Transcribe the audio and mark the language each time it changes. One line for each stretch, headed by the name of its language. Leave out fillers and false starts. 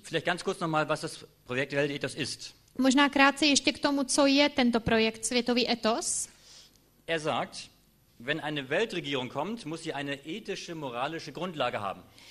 German: Vielleicht ganz kurz nochmal, was das Projekt Weltethos ist.
Czech: Možná krátce ještě k tomu, co je tento projekt světový etos.
German: Er sagt, wenn eine Weltregierung kommt, muss sie eine ethische, moralische Grundlage haben.